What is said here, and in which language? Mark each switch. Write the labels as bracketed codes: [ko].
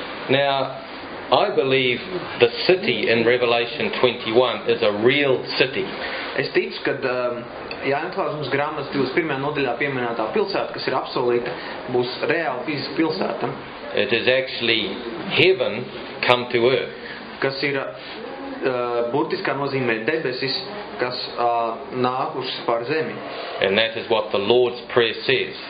[en] Now, I believe the city in Revelation 21 is a real city. [lv] Es ticu, kad Jāņatklāsums grāmatas 21. Nodaļā pieminētā pilsēta, kas ir absolūta, būs reāla fiziska pilsēta. [en] It is actually heaven come to earth. [lv] Kas ir burtiskā nozīmē debesis, kas nākušas par zemi. [en] And that is what the Lord's Prayer says.